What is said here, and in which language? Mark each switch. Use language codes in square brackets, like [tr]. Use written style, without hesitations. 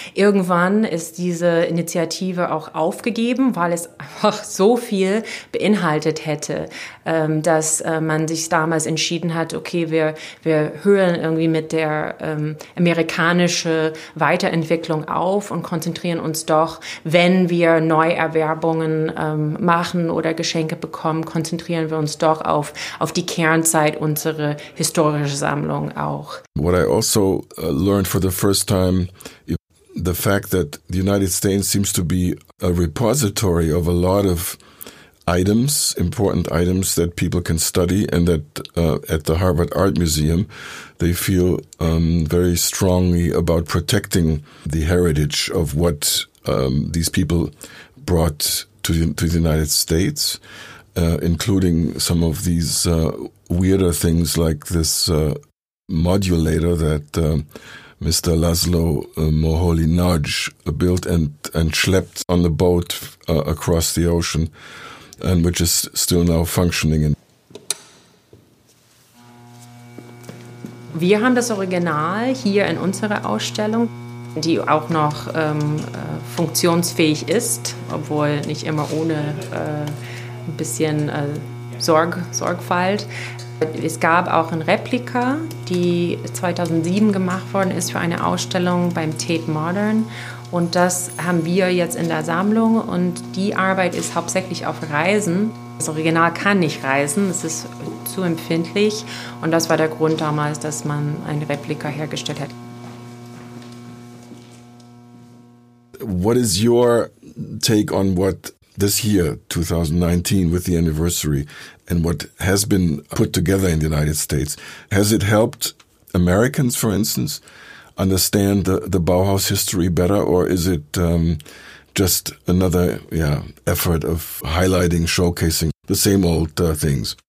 [de] Irgendwann ist diese Initiative auch aufgegeben, weil es einfach so viel beinhaltet hätte, dass man sich damals entschieden hat, okay, wir hören irgendwie mit der amerikanischen Weiterentwicklung auf und konzentrieren uns doch, wenn wir Neuerwerbungen machen oder Geschenke bekommen, konzentrieren wir uns doch auf die Kernzeit und historische Sammlung auch. [en] What I also learned for the first time, the fact that the United States seems to be a repository of a lot of items, important items that people can study, and that at the Harvard Art Museum, they feel very strongly about protecting the heritage of what these people brought to the United States, including some of these weirder things like this modulator that Mr. Laszlo Moholy Nagy built and schlepped on the boat across the ocean, and which is still now functioning. [de] Wir haben das Original hier in unserer Ausstellung, die auch noch funktionsfähig ist, obwohl nicht immer ohne ein bisschen Sorgfalt. Es gab auch eine Replika, die 2007 gemacht worden ist für eine Ausstellung beim Tate Modern. Und das haben wir jetzt in der Sammlung. Und die Arbeit ist hauptsächlich auf Reisen. Das Original kann nicht reisen, es ist zu empfindlich. Und das war der Grund damals, dass man eine Replika hergestellt hat. [en] What is your take on what this year, 2019, with the anniversary, and what has been put together in the United States, has it helped Americans, for instance, understand the Bauhaus history better, or is it just another effort of highlighting, showcasing the same old things?